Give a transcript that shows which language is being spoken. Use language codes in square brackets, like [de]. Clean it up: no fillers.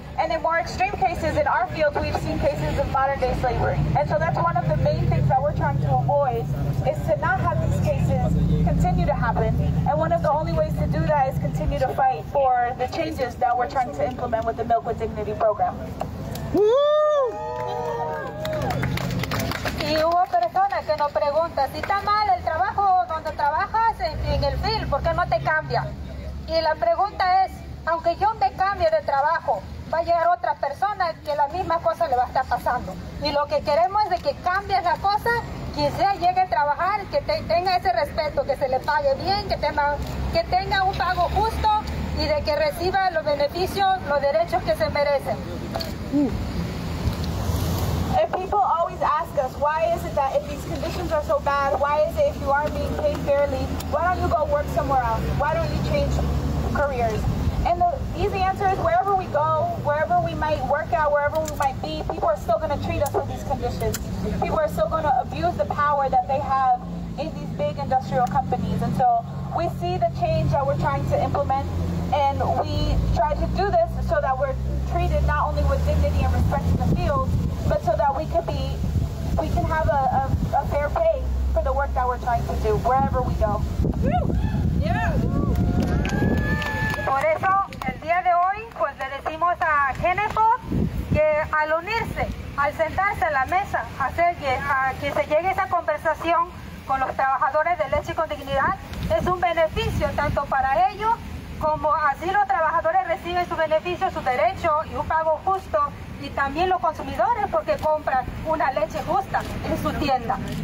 [en] And in more extreme cases in our field, we've seen cases of modern day slavery. And so that's one of the main things that we're trying to avoid, is to not have these cases continue to happen. And one of the only ways to do that is continue to fight for the changes that we're trying to implement with the Milk with Dignity program. [es] Y hubo personas que nos preguntan, si está mal el trabajo donde trabajas en el field, ¿por qué no te cambia? Y la pregunta es, aunque yo me cambie de trabajo, va a llegar otra persona que la misma cosa le va a estar pasando. Y lo que queremos es de que cambie la cosa, que sea llegue a trabajar, que tenga ese respeto, que se le pague bien, que tenga un pago justo y de que reciba los beneficios, los derechos que se merecen. [en] If people always ask us, why is it that if these conditions are so bad, why is it if you aren't being paid fairly, why don't you go work somewhere else? Why don't you change careers? And the easy answer is wherever we go, wherever we might work out, wherever we might be, people are still going to treat us with these conditions. People are still going to abuse the power that they have in these big industrial companies. And so we see the change that we're trying to implement, and we try to do this so that we're treated not only with dignity and respect in the fields, but so that we can have a fair pay for the work that we're trying to do, wherever we go. [es] Por eso, el día de hoy, pues le decimos a Genefor que al unirse, al sentarse a la mesa, hacer que se llegue esa conversación con los trabajadores de Leche con Dignidad, es un beneficio tanto para ellos, como así los trabajadores reciben su beneficio, su derecho y un pago justo, y también los consumidores porque compran una leche justa en su tienda.